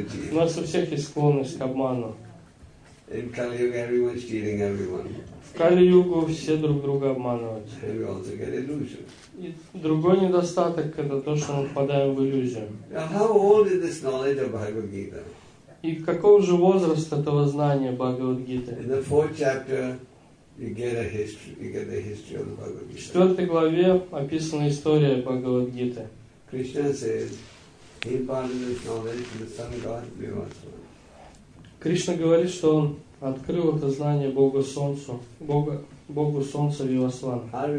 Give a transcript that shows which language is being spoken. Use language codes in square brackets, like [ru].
[ru] У нас у всех есть склонность к обману. [en] In Kali Yuga, everyone's cheating everyone. [ru] В Кали-Югу все друг друга обманывают. [en] And we also get illusion. [ru] И другой недостаток – это то, что мы впадаем в иллюзию. [en] Now, how old is this knowledge of Bhagavad-Gita? [ru] И какого же возраста этого знания Бхагавад-Гиты? [en] In the fourth chapter, you get the history of the Bhagavad-Gita. [ru] В четвертой главе описана история Бхагавад-Гиты. [en] Krishna says, he imparted this knowledge to the Sun God, Vivasana. [ru] Кришна говорит, что он открыл это знание Богу Солнцу, Богу Солнца Вивасван.